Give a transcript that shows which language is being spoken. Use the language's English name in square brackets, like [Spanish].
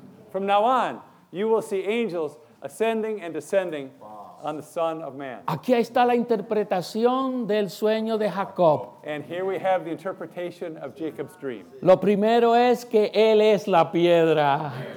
[English] From now on, you will see angels ascending and descending on the Son of Man. [Spanish] Aquí está la interpretación del sueño de Jacob. [English] And here we have the interpretation of Jacob's dream. [Spanish] Lo primero es que él es la piedra.